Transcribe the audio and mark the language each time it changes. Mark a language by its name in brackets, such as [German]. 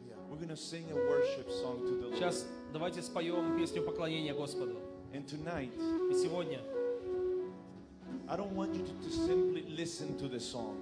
[English] We're gonna sing a worship song to the Lord. [Russian] Сейчас давайте споем песню поклонения Господу. [English] And tonight, [Russian] и сегодня. [English] I don't want you to simply listen to the song.